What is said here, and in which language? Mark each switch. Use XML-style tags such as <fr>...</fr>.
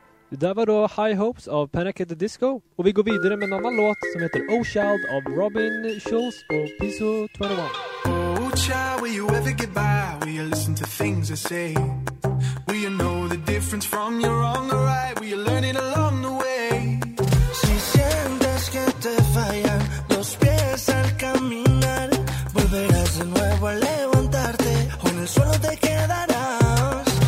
<sv>Där var då High Hopes av Panic at the Disco. Och vi går vidare med en annan låt som heter Oh Child av Robin Schulz och Piso 21.</sv> <en>Oh child, will you ever get by? Will you listen to things I say? Will you know the difference from your wrong or right? Will you learn it along the way?</en> <es>Si sientes que te fallan los pies al caminar, volverás de nuevo a levantarte o en el suelo te quedarás.</es>